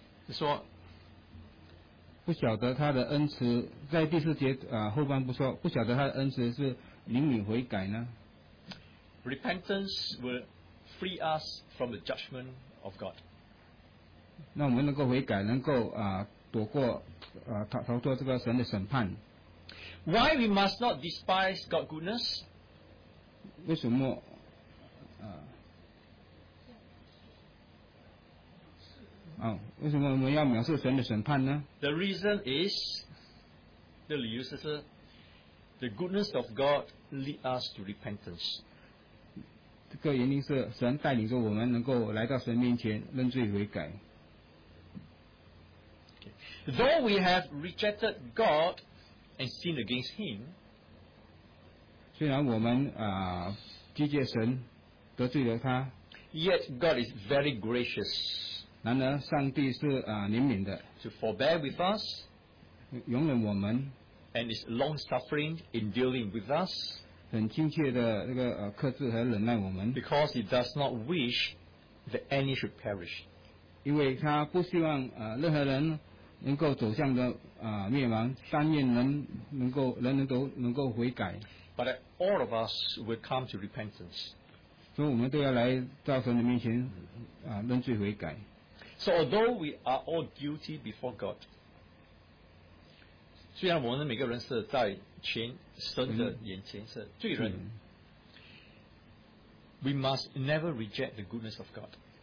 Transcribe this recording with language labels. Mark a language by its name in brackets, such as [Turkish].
[Chinese] 说不晓得他的恩慈，在第四节后半部说不晓得他的恩慈是怜悯悔改呢。 [English] Repentance will free us from the judgment of God. [Chinese] 那我们能够悔改，能够躲过逃脱这个神的审判。 [English] Why we must not despise God's goodness? [Chinese] 为什么为什么我们要藐视神的审判呢？ [English] The reason is, [Chinese] 这理由是 [English] the goodness of God lead us to repentance. [Chinese] 这个原因是神带领着我们能够来到神面前认罪悔改。 [English] Okay. Though we have rejected God and sin against him, [Chinese] 虽然我们拒绝神，得罪了他， [English] yet God is very gracious. [Chinese] 然而上帝是怜悯的， [English] to forbear with us, [Chinese] 容忍我们， [English] and is long suffering in dealing with us, [Chinese] 很亲切的这个克制和忍耐我们， [English] because he does not wish that any should perish. [Chinese] 因为他不希望任何人能够走向的灭亡，但愿人人都能够悔改。 [English] But all of us will come to repentance. [Chinese] 所以我们都要来到神的面前认罪悔改。 [English] So although we are all guilty before God, [Chinese] 虽然我们每个人是在前神的眼前是罪人， [English] we must never reject the goodness of God.